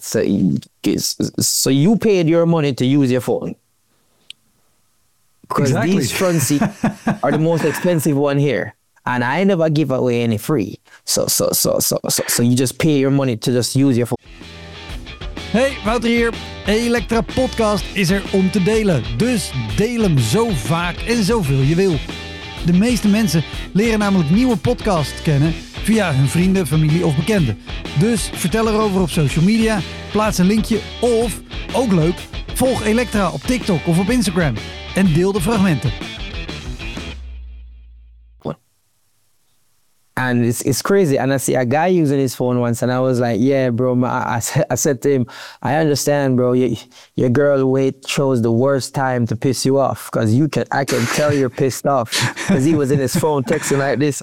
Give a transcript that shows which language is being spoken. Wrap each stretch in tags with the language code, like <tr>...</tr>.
<en>So you paid your money to use your phone. Because these front seats are the most expensive one here. And I never give away any free. So you just pay your money to just use your phone.</en> <nl>Hey, Wouter hier. Elektra Podcast is er om te delen. Dus deel hem zo vaak en zoveel je wil. De meeste mensen leren namelijk nieuwe podcasts kennen... via hun vrienden, familie of bekenden. Dus vertel erover op social media, plaats een linkje of, ook leuk, volg Elektra op TikTok of op Instagram en deel de fragmenten.</nl> <en>And it's crazy. And I see a guy using his phone once and I was like, yeah, bro. I said to him, I understand, bro. Your girl wait chose the worst time to piss you off because I can tell you're pissed off because he was in his phone texting like this.</en>